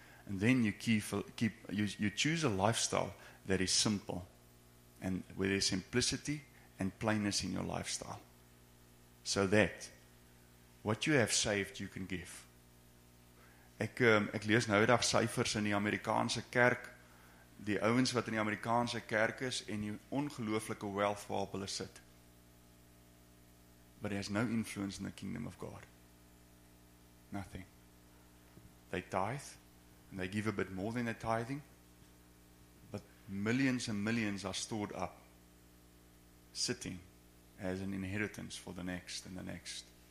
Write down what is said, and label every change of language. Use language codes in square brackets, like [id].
[en] And then you choose a lifestyle that is simple and where there's simplicity and plainness in your lifestyle. So that what you have saved you can give. [af] Ek lees nou die dag syfers in die Amerikaanse kerk, die ouens wat in die Amerikaanse kerk is, en die ongelooflike wealth waarop hulle sit. [en] But there's no influence in the kingdom of God. Nothing. They tithe, and they give a bit more than their tithing, but millions and millions are stored up, sitting as an inheritance for the next and the next.